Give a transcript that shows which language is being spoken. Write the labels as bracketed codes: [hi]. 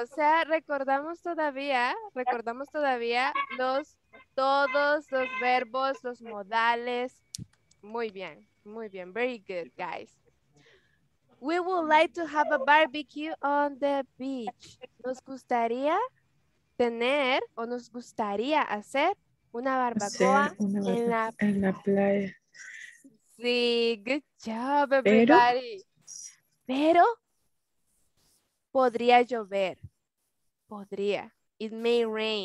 [es] O sea, recordamos todavía todos los verbos, los modales. Muy bien, muy bien. [en] Very good, guys. We would like to have a barbecue on the beach. [es] Nos gustaría tener o nos gustaría hacer una barbacoa en la playa. [en] Sí, good job, everybody. [es] Pero podría llover. Podría. [en] It may rain.